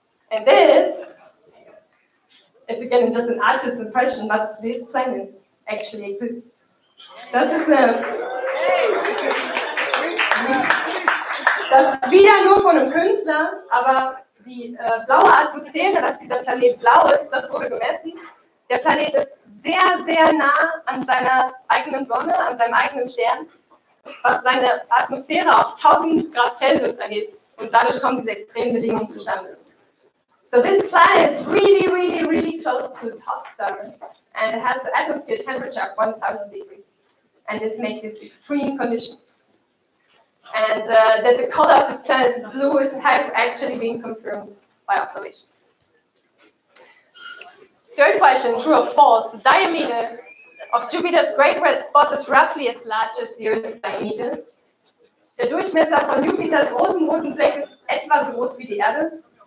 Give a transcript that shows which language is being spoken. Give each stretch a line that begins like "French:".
English: And this, it's again just an artist's impression, but this planet actually exists.
German: Das ist eine. Das ist wieder nur von einem Künstler, aber die blaue Atmosphäre, dass dieser Planet blau ist, das wurde gemessen. Der Planet ist sehr, sehr nah an seiner eigenen Sonne, an seinem eigenen Stern, was seine Atmosphäre auf 1000 Grad Celsius erhitzt. Und dadurch kommen diese extremen Bedingungen zustande.
English: So this planet is really, really, really close to its host star. And it has an atmosphere temperature of 1000 degrees. And this makes this extreme conditions. And that the color of this planet is blue has actually been confirmed by observations. Third question, true or false? The diameter of Jupiter's great red spot is roughly as large as the Earth's diameter.
German: Der Durchmesser von Jupiters großen roten Fleck ist etwa so groß wie die Erde.